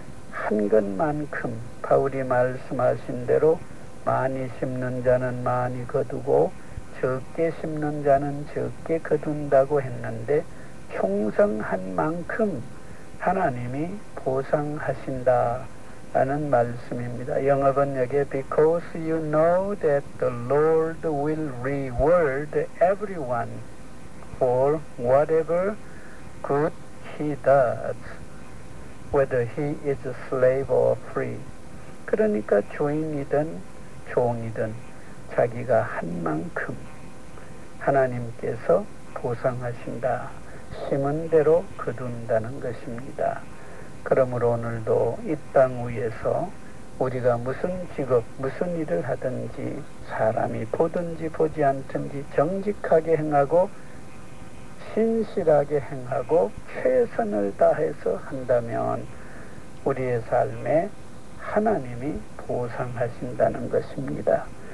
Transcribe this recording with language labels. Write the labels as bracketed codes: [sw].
[ko] 한 것만큼 바울이 말씀하신 대로 많이 심는 자는 많이 거두고 적게 심는 자는 적게 거둔다고 했는데 충성한 만큼 하나님이 보상하신다라는 말씀입니다. 영어 번역에 [en] Because you know that the Lord will reward everyone for whatever good he does, whether he is a slave or free. [ko] 그러니까 주인이든 종이든 자기가 한 만큼 하나님께서 보상하신다. 심은 대로 거둔다는 것입니다. 그러므로 오늘도 이 땅 위에서 우리가 무슨 직업, 무슨 일을 하든지 사람이 보든지 보지 않든지 정직하게 행하고 진실하게 행하고 최선을 다해서 한다면 우리의 삶에 하나님이 보상하신다는 것입니다.